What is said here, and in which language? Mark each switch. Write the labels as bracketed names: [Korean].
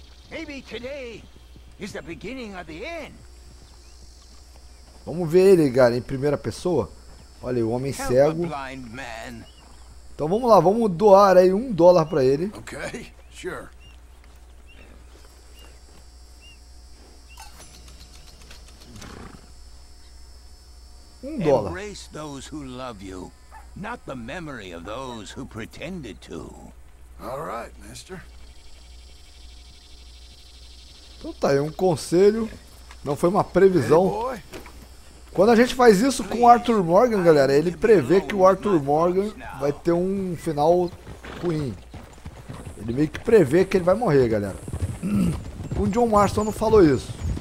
[English] Maybe today is the beginning of the end. [Portuguese] Vamos ver ele, cara, em primeira pessoa. Olha aí, o homem cego. Então vamos lá, vamos doar aí um dólar pra ele. [English] Ok, sure. [Portuguese] Um dólar. [English] Embrace those who love you, not the memory of those who pretended to. All right, mister. [Portuguese] Então tá aí, um conselho, não foi uma previsão. Quando a gente faz isso com o Arthur Morgan, galera, ele prevê que o Arthur Morgan vai ter um final ruim. Ele meio que prevê que ele vai morrer, galera. O John Marston não falou isso.